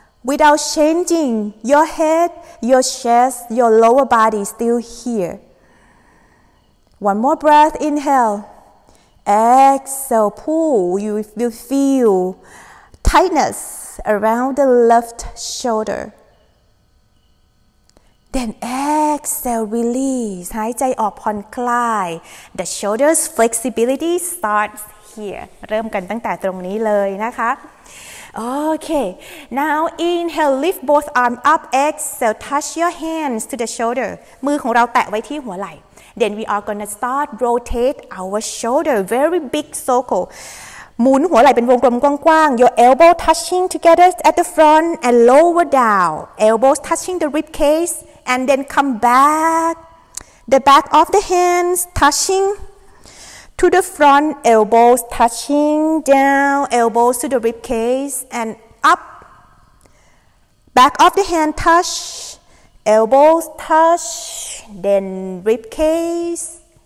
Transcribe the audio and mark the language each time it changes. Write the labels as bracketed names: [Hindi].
[English] Without changing your head, your chest, your lower body still here. One more breath, inhale. Exhale, pull. You will feel tightness around the left shoulder. Then exhale, release. [Thai] หายใจออกผ่อนคลาย. [English] The shoulder's flexibility starts here. [Thai] เริ่มกันตั้งแต่ตรงนี้เลยนะคะ [English] Okay, now inhale, lift both arms up, exhale, touch your hands to the shoulder. [Thai] มือของเราแตะไว้ที่หัวไหล่ [English] Then we are gonna start rotate our shoulder, very big circle. [Thai] หมุนหัวไหล่เป็นวงกลมกว้างๆ [English] Your elbow touching together at the front and lower down. Elbows touching the ribcage and then come back. The back of the hands touching. To the front, elbows touching down, elbows to the ribcage, and up. Back of the hand touch, elbows touch, then ribcage.